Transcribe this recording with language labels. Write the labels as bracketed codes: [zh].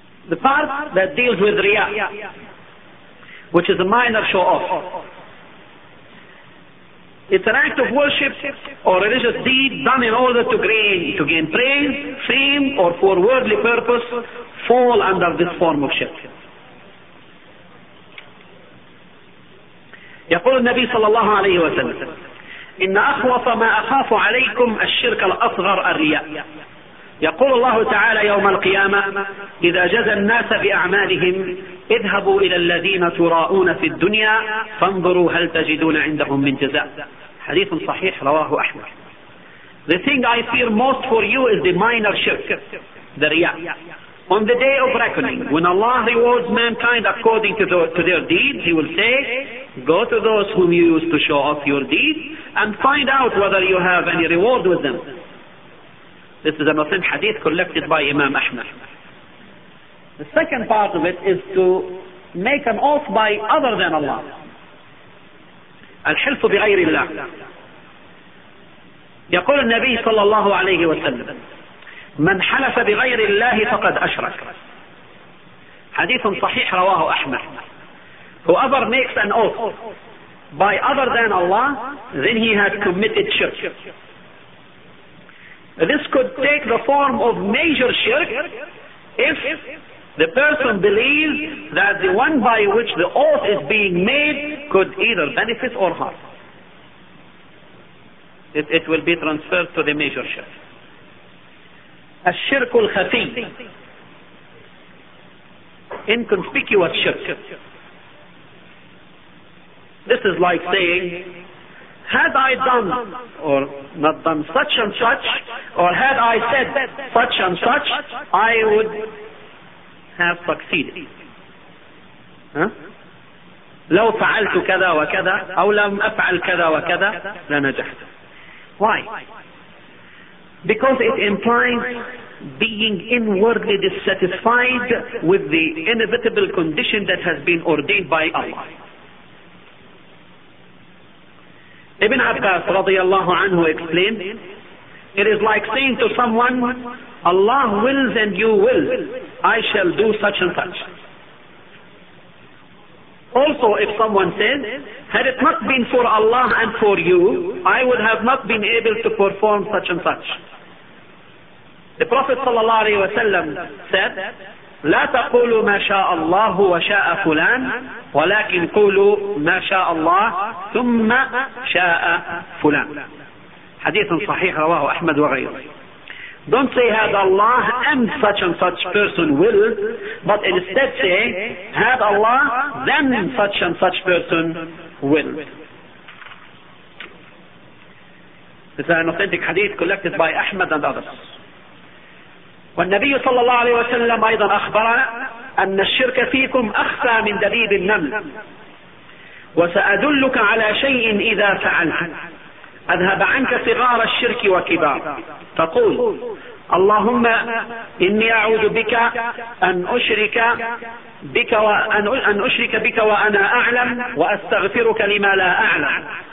[en] The part that deals with riya, which is a minor show-off, it's an act of worship or religious deed done in order to gain praise, fame, or for worldly purpose, fall under this form of shirk. [ar] يقول النبي صلى الله عليه وسلم إن أخوف ما أخاف عليكم الشرك الأصغر الرياء. يقول الله تعالى يوم القيامة إذا جزى الناس بأعمالهم اذهبوا إلى الذين تراءون في الدنيا فانظروا هل تجدون عندهم من جزاء. [en] Hadith Sahih, [ar] رواه أحمد. [en] The thing I fear most for you is the minor shirk, the riya. On the day of reckoning, when Allah rewards mankind according to their deeds, He will say, go to those whom you used to show off your deeds and find out whether you have any reward with them. This is an authentic hadith collected by Imam Ahmad. The second part of it is to make an oath by other than Allah. [ar] الحلف بغير الله. يقول النبي صلى الله عليه وسلم من حلف بغير الله فقد أشرك. حديث صحيح رواه أحمد. [en] Whoever makes an oath by other than Allah, then he had committed shirk. This could take the form of major shirk if the person believes that the one by which the oath is being made could either benefit or harm. It will be transferred to the major shirk. [ar] الشرك الخفي, [en] inconspicuous shirk. This is like saying, had I done or not done such and such, or had I said such and such, I would have succeeded. [ar] لو فعلت كذا وكذا أو لم أفعل كذا وكذا لنجحت. [en] Why? Because it implies being inwardly dissatisfied with the inevitable condition that has been ordained by Allah. Ibn Abbas radiallahu anhu explained, it is like saying to someone, Allah wills and you will, I shall do such and such. Also, if someone says, had it not been for Allah and for you, I would have not been able to perform such and such. The Prophet sallallahu alayhi wa sallam said, [ar] لا تقولوا ما شاء الله وشاء فلان ولكن قولوا ما شاء الله ثم شاء فلان. حديث صحيح رواه أحمد وغيره. [en] Don't say had Allah and such and such person will, but instead say had Allah then such and such person will. This is an authentic hadith collected by Ahmad and others. [ar] والنبي صلى الله عليه وسلم أيضا أخبر أن الشرك فيكم أخفى من دبيب النمل. وسأدلك على شيء إذا فعلته أذهب عنك صغار الشرك وكبار. تقول اللهم إني أعوذ بك أن أشرك بك وأن أشرك بك وأنا أعلم وأستغفرك لما لا أعلم.